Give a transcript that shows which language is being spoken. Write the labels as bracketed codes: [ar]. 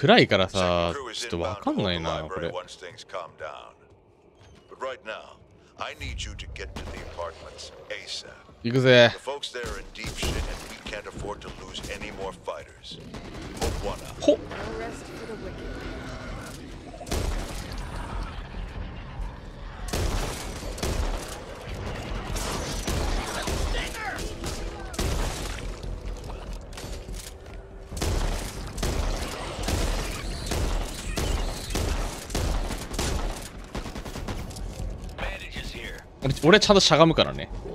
[ja] 暗いからさ、ちょっとわかんないな、これ。 [en] Once things calm down. But right now, I need you to get to the apartments ASAP. [ja] 行くぜ。 [en] The folks there are in deep shit and we can't afford to lose any more fighters. Hope one up. [ja] ほこれちゃんとしゃがむからね。